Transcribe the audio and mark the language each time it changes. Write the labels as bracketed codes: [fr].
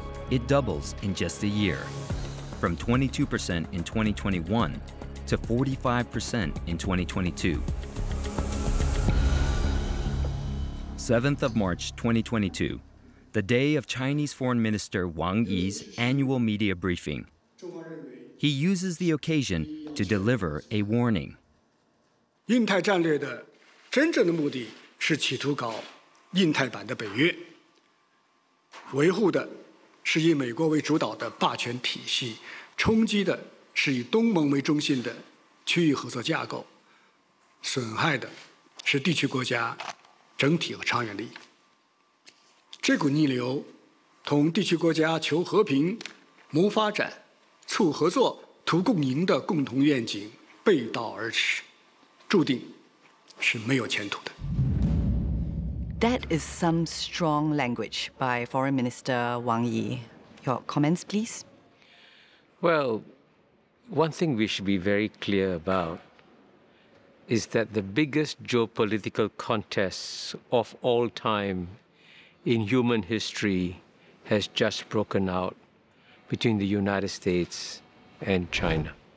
[en] It doubles in just a year, from 22% in 2021 to 45% in 2022. 7th of March, 2022. The day of Chinese Foreign Minister Wang Yi's annual media briefing. He uses the occasion to deliver a warning. [zh] 印太战略的真正的目的是企图搞印太版的北约，维护的是以美国为主导的霸权体系，冲击的是以东盟为中心的区域合作架构，损害的是地区国家整体和长远利益。这股逆流同地区国家求和平、谋发展、促合作图共赢的共同愿景背道而驰，注定是没有前途的。 [en] That is some strong language by Foreign Minister Wang Yi. Your comments, please. Well, one thing we should be very clear about is that the biggest geopolitical contest of all time in human history has just broken out between the United States and China.